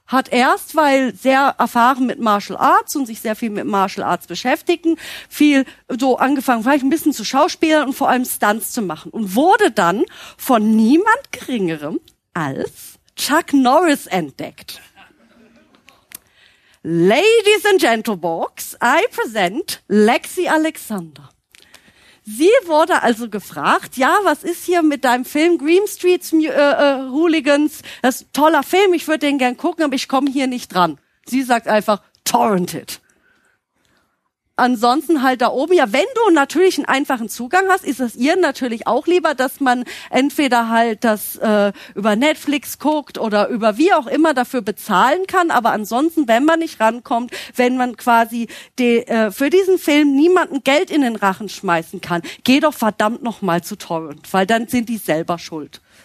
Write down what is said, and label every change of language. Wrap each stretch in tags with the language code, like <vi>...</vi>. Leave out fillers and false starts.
<de>Hat erst, weil sehr erfahren mit Martial Arts und sich sehr viel mit Martial Arts beschäftigen, viel so angefangen, vielleicht ein bisschen zu schauspielern und vor allem Stunts zu machen. Und wurde dann von niemand Geringerem als Chuck Norris entdeckt.</de> <en>Ladies and Gentlemen, I present Lexi Alexander.</en> <de>Sie wurde also gefragt, ja, was ist hier mit deinem Film Green Street Hooligans? Das ist ein toller Film, ich würde den gern gucken, aber ich komme hier nicht dran. Sie sagt einfach, torrented. Ansonsten halt da oben, ja, wenn du natürlich einen einfachen Zugang hast, ist es ihr natürlich auch lieber, dass man entweder halt das über Netflix guckt oder über wie auch immer dafür bezahlen kann, aber ansonsten, wenn man nicht rankommt, wenn man quasi für diesen Film niemanden Geld in den Rachen schmeißen kann, geh doch verdammt nochmal zu Torrent, weil dann sind die selber schuld.</de>